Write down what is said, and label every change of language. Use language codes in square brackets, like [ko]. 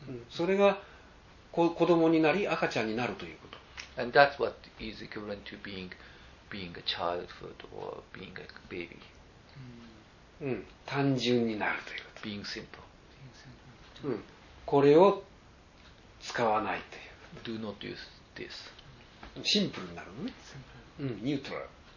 [ja] それが子供になり赤ちゃんになるということ。 [en] And that's what is equivalent to being a childhood or being a baby. [ja] うん、単純になるということ。 [en] Being simple. [ja] うん、これを使わないということ。 [en] Do not use this. [ja] シンプルになるのね。うん、ニュートラル。